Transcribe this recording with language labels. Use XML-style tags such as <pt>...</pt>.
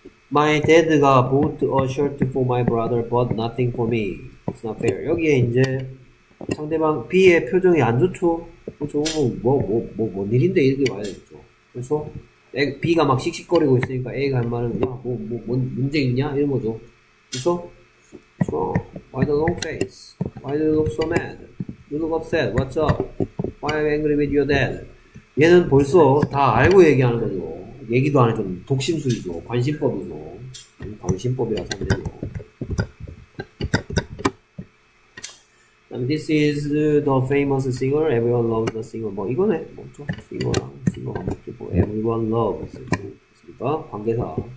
<en>My dad가 bought a shirt for my brother, but nothing for me. It's not fair.</en> <ko>여기에 이제 상대방 B의 표정이 안 좋죠. 그렇죠. 뭔 일인데 이렇게 와야 되겠죠. 그래서 B가 막 씩씩거리고 있으니까 A가 할 말은 야, 뭔 문제 있냐? 이런 거죠. 그렇죠?</ko> <en>What's wrong? Why the long face? Why do you look so mad? You look upset. What's up? Why are you angry with your dad?</en> <ko>얘는 벌써 다 알고 얘기하는 거죠. 얘기도 안 해도 독심술이죠. 관심법이죠. 관심법이라서 그래요.</ko> <en>And this is the famous singer. Everyone loves the singer.</en> <ko>뭐 이거네. 뭐 좀, singer랑 뭐 everyone loves. 그러니까 관계사.</ko>